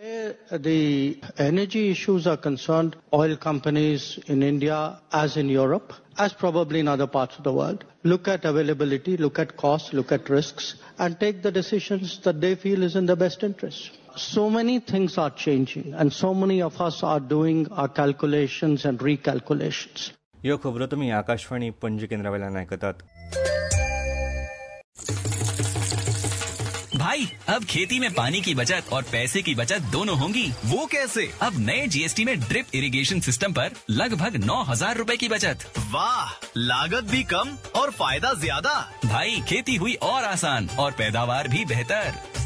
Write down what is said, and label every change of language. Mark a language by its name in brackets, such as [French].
[English] The energy issues are concerned, oil companies in India, as in Europe, as probably in other parts of the world, look at availability, look at costs, look at risks, and take the decisions that they feel is in their best interest. So many things are changing, and so many of us are doing our calculations and recalculations. [Konkani] यो खबर तुम्ही आकाशवाणी पणजी केंद्रावरून ऐकतात. [Hindi] भाई अब खेती में पानी की बचत और पैसे की बचत दोनों होंगी. वो कैसे? अब नए जीएसटी में ड्रिप इरिगेशन सिस्टम पर लगभग 9000 रुपए की बचत. वाह, लागत भी कम और फायदा ज्यादा. भाई खेती हुई और आसान और पैदावार भी बेहतर.